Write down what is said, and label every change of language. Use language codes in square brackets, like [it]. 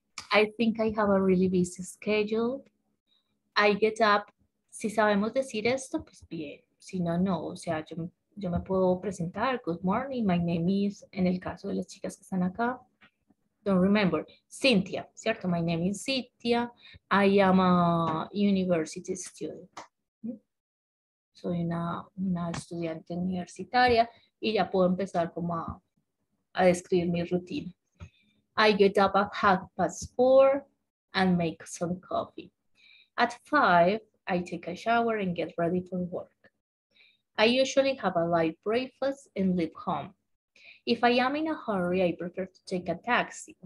[en] I think I have a really busy schedule. I get up, [es] si sabemos decir esto, pues bien. Si no, no, o sea, yo me puedo presentar, [en] good morning, my name is, [es] en el caso de las chicas que están acá, [en] don't remember, [es] Cynthia, ¿cierto? [en] My name is Cynthia, I am a university student. [es] Soy una estudiante universitaria y ya puedo empezar como a describir mi rutina. [en] I get up at 4:30 and make some coffee. At 5, I take a shower and get ready for work. I usually have a light breakfast and leave home. If I am in a hurry, I prefer to take a taxi.